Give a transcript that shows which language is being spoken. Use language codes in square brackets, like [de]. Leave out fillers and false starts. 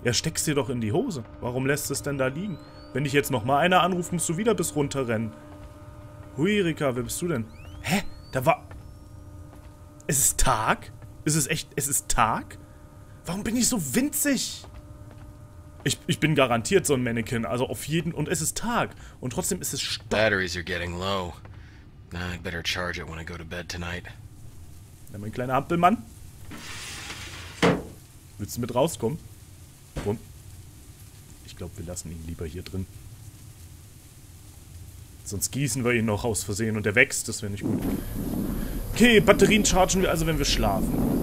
[de] Ja, steckst dir doch in die Hose. Warum lässt es denn da liegen? Wenn dich jetzt nochmal einer anruft, musst du wieder bis runterrennen. Hui, Rika, wer bist du denn? Hä? Da war... Es ist Tag? Ist es echt... Es ist Tag? Warum bin ich so winzig? Ich bin garantiert so ein Mannequin. Also auf jeden... Und es ist Tag. Und trotzdem ist es [en] Batteries are getting low. Nah, I better charge it when I go to bed tonight. [de] Na, mein kleiner Ampelmann. Willst du mit rauskommen? Komm. Ich glaube, wir lassen ihn lieber hier drin. Sonst gießen wir ihn noch aus Versehen und er wächst, das wäre nicht gut. Okay, Batterien chargen wir also, wenn wir schlafen.